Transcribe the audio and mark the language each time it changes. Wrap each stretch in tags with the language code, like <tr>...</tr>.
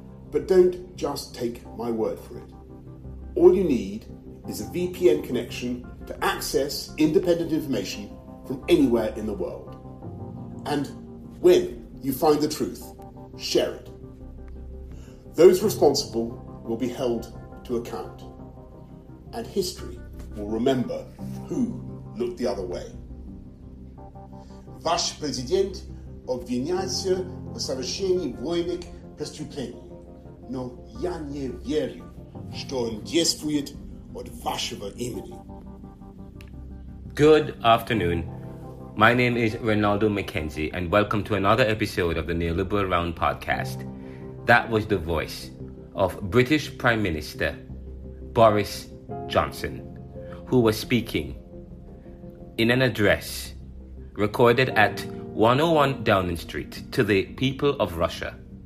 <en>But don't just take my word for it. All you need is a VPN connection to access independent information from anywhere in the world. And when you find the truth, share it. Those responsible will be held to account, and history will remember who looked the other way.</en> <ru>Ваш президент обвиняется в совершении военных преступлений, но я не верю, что он действует от вашего имени.</ru> <en>Good afternoon. My name is Ronaldo McKenzie, and welcome to another episode of the Neoliberal Round podcast. That was the voice of British Prime Minister Boris Johnson, who was speaking in an address recorded at 101 Downing Street to the people of Russia.</en>